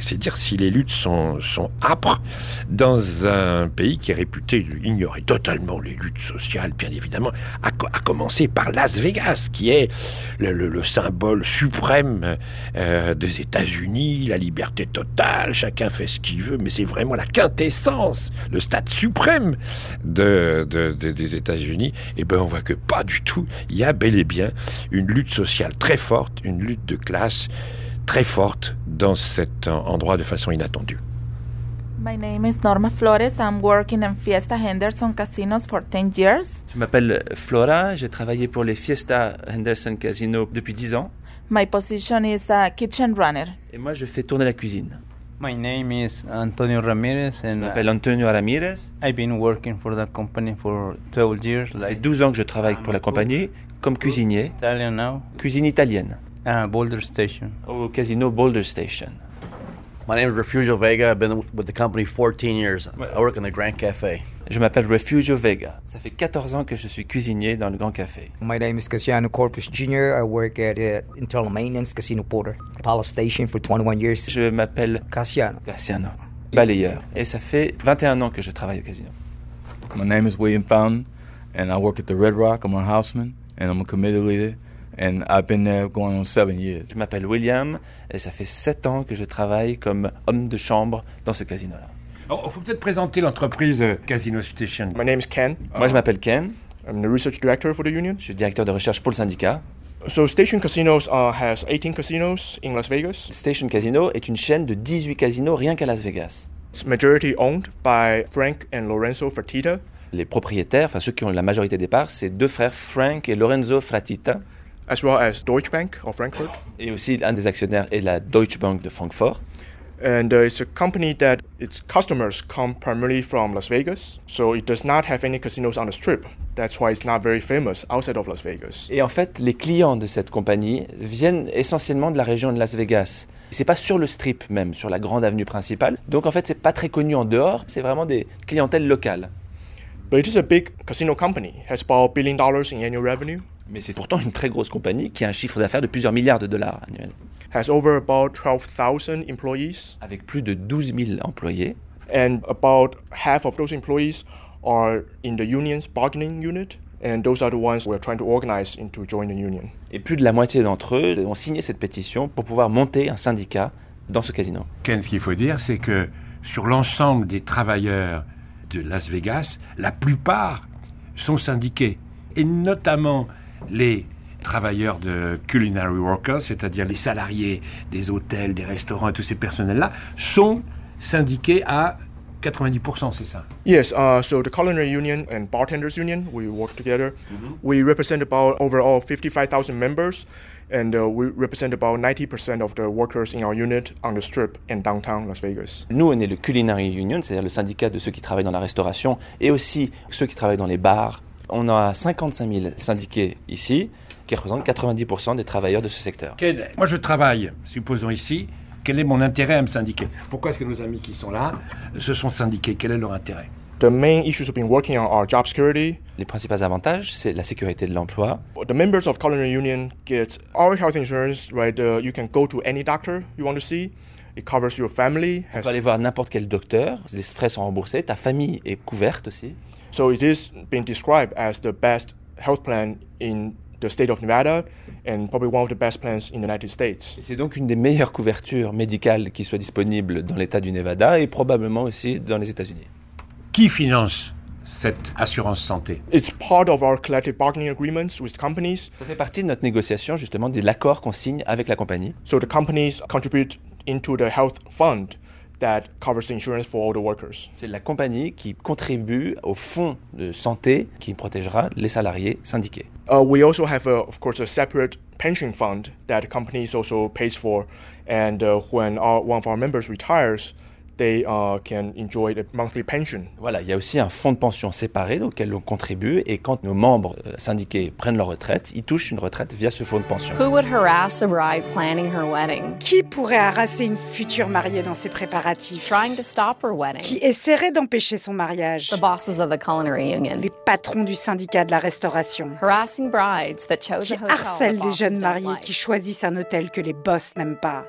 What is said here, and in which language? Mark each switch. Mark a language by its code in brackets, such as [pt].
[fr] C'est dire si les luttes sont âpres dans un pays qui est réputé ignorer totalement les luttes sociales, bien évidemment, à commencer par Las Vegas, qui est le symbole suprême des États-Unis, la liberté totale, chacun fait ce qu'il veut, mais c'est vraiment la quintessence, le stade suprême des États-Unis, et ben on voit que pas du tout, il y a bel et bien une lutte sociale très forte, une lutte de classe très forte dans cet endroit de façon inattendue. [en] My name is Norma Flores. I'm working in Fiesta Henderson Casinos for 10 years. [fr] Je m'appelle Flora, j'ai travaillé pour les Fiesta Henderson Casino depuis 10 ans. [en] My position is a kitchen runner. [fr] Et moi je fais tourner la cuisine. [en] My name is Antonio Ramirez. [fr] Je m'appelle Antonio Ramirez. [en] I've been working for the company for 12 years. [fr] Ça fait 12 ans que je travaille pour la compagnie comme cuisinier. [en] Italian now. [fr] Cuisine italienne. [en] Boulder Station. [fr] Au casino Boulder Station. [en] My name is Refugio Vega. I've been with the company 14 years. I work in the Grand Cafe. [fr] Je m'appelle Refugio Vega. Ça fait 14 ans que je suis cuisinier dans le Grand Café. [en] My name is Cassiano Corpus Jr. I work at Internal Maintenance Casino Porter, Palace Station for 21 years. [fr] Je m'appelle Cassiano. Cassiano, balayeur. Et ça fait 21 ans que je travaille au casino. [en] My name is William Fountain, and I work at the Red Rock. I'm a houseman, and I'm a committee leader, and I've been there going on 7 years. [fr] Je m'appelle William, et ça fait 7 ans que je travaille comme homme de chambre dans ce casino-là. Il faut peut-être présenter l'entreprise Casino Station. [en] My name is Ken. [fr] Moi, je m'appelle Ken. [en] I'm the research director for the union. [fr] Je suis directeur de recherche pour le syndicat. [en] So Station Casinos has 18 casinos in Las Vegas. [fr] Station Casino est une chaîne de 18 casinos rien qu'à Las Vegas. [en] It's majority owned by Frank and Lorenzo Fratita. [fr] Les propriétaires, enfin ceux qui ont la majorité des parts, c'est deux frères, Frank et Lorenzo Fratita. [en] As well as Deutsche Bank of Frankfurt. [fr] Et aussi un des actionnaires est la Deutsche Bank de Francfort. [en] And it's a company that its customers come primarily from Las Vegas, so it does not have any casinos on the Strip. That's why it's not very famous outside of Las Vegas. [fr] Et en fait, les clients de cette compagnie viennent essentiellement de la région de Las Vegas. C'est pas sur le strip même, sur la grande avenue principale. Donc en fait, c'est pas très connu en dehors, c'est vraiment des clientèles locales. [en] But it is a big casino company. It has about $1 billion in annual revenue. [fr] Mais c'est pourtant une très grosse compagnie qui a un chiffre d'affaires de plusieurs milliards de dollars annuels. [en] Has over about 12,000 employees. [fr] Avec plus de 12 000 employés. [en] And about half of those employees are in the union's bargaining unit. And those are the ones we're trying to organize into joining the union. [fr] Et plus de la moitié d'entre eux ont signé cette pétition pour pouvoir monter un syndicat dans ce casino. Ken, ce qu'il faut dire, c'est que sur l'ensemble des travailleurs de Las Vegas, la plupart sont syndiqués, et notamment les travailleurs de culinary workers, c'est-à-dire les salariés des hôtels, des restaurants et tous ces personnels-là, sont syndiqués à 90%, c'est ça? [en] Yes, so the culinary union and bartenders union, we work together. Mm-hmm. We represent about overall 55,000 members, and we represent about 90% of the workers in our unit on the strip and downtown Las Vegas. [fr] Nous, on est le culinary union, c'est-à-dire le syndicat de ceux qui travaillent dans la restauration et aussi ceux qui travaillent dans les bars. On a 55 000 syndiqués ici, qui représentent 90% des travailleurs de ce secteur. Ken, moi je travaille, supposons ici, quel est mon intérêt à me syndiquer? Pourquoi est-ce que nos amis qui sont là se sont syndiqués? Quel est leur intérêt? [en] The main issues we've been working on are job security. [fr] Les principaux avantages, c'est la sécurité de l'emploi. [en] The members of culinary union get all health insurance, right? You can go to any doctor you want to see. It covers your family. [fr] On peut aller voir n'importe quel docteur, les frais sont remboursés, ta famille est couverte aussi. [en] So it is being described as the best health plan in the state of Nevada and probably one of the best plans in the United States. [fr] Et c'est donc une des meilleures couvertures médicales qui soit disponible dans l'état du Nevada et probablement aussi dans les États-Unis. Qui finance cette assurance santé? [en] It's part of our collective bargaining agreements with companies. [fr] Ça fait partie de notre négociation justement de l'accord qu'on signe avec la compagnie. [en] So the companies contribute into the health fund that covers the insurance for all the workers. [fr] C'est la compagnie qui contribue au fonds de santé qui protégera les salariés syndiqués. [en] We also have of course a separate pension fund that the company also pays for, and when one of our members retires, they can enjoy a monthly pension. [fr] Voilà, il y a aussi un fonds de pension séparé auquel on contribue, et quand nos membres syndiqués prennent leur retraite, ils touchent une retraite via ce fonds de pension. [en] Who would harass a bride planning her wedding? [fr] Qui pourrait harasser une future mariée dans ses préparatifs? [en] Trying to stop her wedding. [fr] Qui essaierait d'empêcher son mariage? [en] The bosses of the culinary union. [fr] Les patrons du syndicat de la restauration. [en] Harassing brides that chose a hotel. [fr] Qui harcèlent les jeunes mariés qui choisissent un hôtel que les boss n'aiment pas.